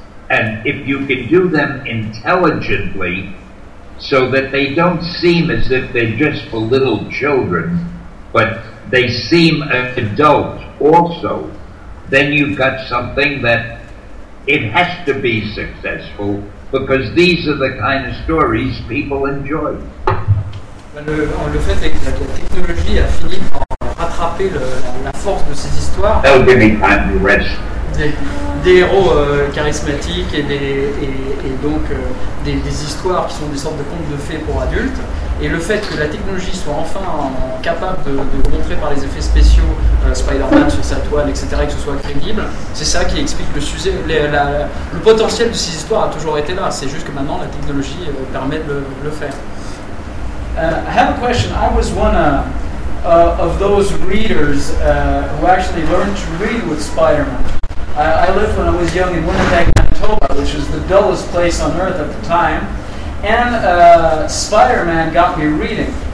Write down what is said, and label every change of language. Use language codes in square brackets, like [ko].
[en] And if you can do them intelligently so that they don't seem as if they're just for little children, but they seem an adult also, then you've got something that it has to be successful because these are the kind of stories people enjoy. [fr] Le fait est que la technologie a fini par rattraper la force de ces histoires. [en] That'll give me time to rest. [fr] Des héros charismatiques et donc des histoires qui sont des sortes de contes de fées pour adultes, et le fait que la technologie soit enfin capable de montrer par les effets spéciaux Spider-Man sur sa toile, etc., et que ce soit crédible, c'est ça qui explique le sujet. Le potentiel de ces histoires a toujours été là, c'est juste que maintenant la technologie permet de le faire. [en] I have a question. I was one of those readers who actually learned to read with Spider-Man. I lived when I was young in Winnipeg, Manitoba, which was the dullest place on earth at the time, and Spider-Man got me reading.